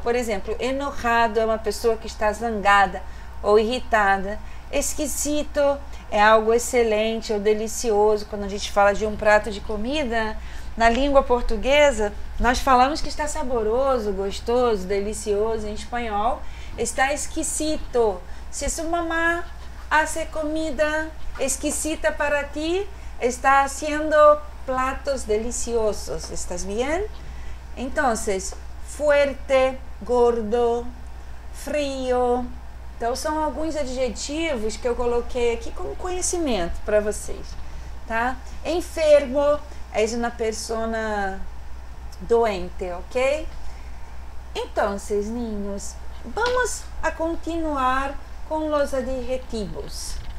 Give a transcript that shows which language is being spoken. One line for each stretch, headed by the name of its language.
Portuguese: Por exemplo, enojado é uma pessoa que está zangada ou irritada. Esquisito é algo excelente ou delicioso. Quando a gente fala de um prato de comida, na língua portuguesa, nós falamos que está saboroso, gostoso, delicioso. Em espanhol, está esquisito.
Spanish: Si su mamá hace comida exquisita para ti, está haciendo platos deliciosos. ¿Estás bien? Entonces, fuerte, gordo, frío.
Portuguese: Então, são alguns adjetivos que eu coloquei aqui como conhecimento para vocês, tá? Enfermo é uma persona doente, ok? Então, seus ninhos, vamos a continuar com os adjetivos.